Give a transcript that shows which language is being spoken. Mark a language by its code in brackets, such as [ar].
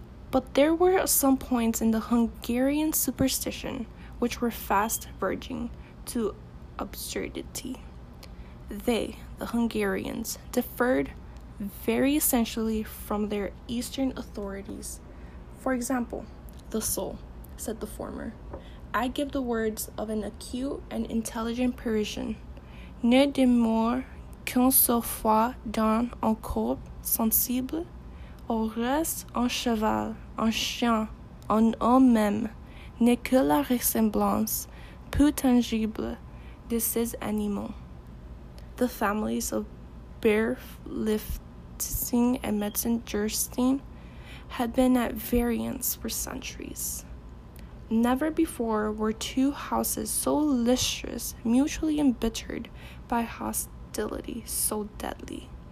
[en] But there were some points in the Hungarian superstition which were fast verging to absurdity. They, the Hungarians, differed very essentially from their Eastern authorities. For example, the soul, said the former. I give the words of an acute and intelligent Parisian. [fr] Ne demeure qu'un seul fois dans un corps sensible, au reste un cheval, un chien, un homme même, n'est que la ressemblance peu tangible de ces animaux. [en] The families of Berlifitzing and Metzengerstein had been at variance for centuries. Never before were two houses so licentious, mutually embittered by hostility so deadly.